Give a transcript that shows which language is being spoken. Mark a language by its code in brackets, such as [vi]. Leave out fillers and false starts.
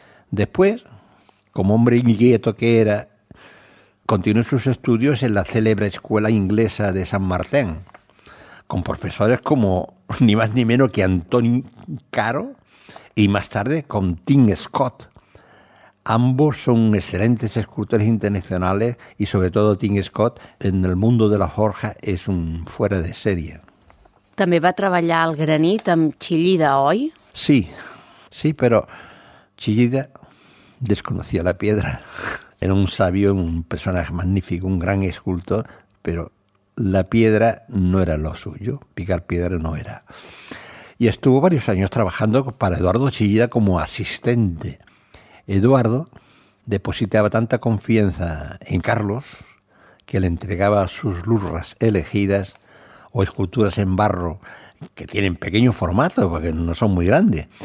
[es] Después, como hombre inquieto que era, continuó sus estudios en la célebre escuela inglesa de San Martín, con profesores como ni más ni menos que Antoni Caro y más tarde con Tim Scott. Ambos son excelentes escultores internacionales y sobre todo Tim Scott en el mundo de la forja es un fuera de serie. [ca] També va treballar al granit amb Chillida, oi? [es] Sí, [ca] però [es] Chillida desconocía la piedra. Era un sabio, un personaje magnífico, un gran escultor, pero la piedra no era lo suyo, picar piedra no era. Y estuvo varios años trabajando para Eduardo Chillida como asistente. Eduardo depositaba tanta confianza en Carlos que le entregaba sus lurras elegidas o esculturas en barro que tienen pequeño formato porque no son muy grandes.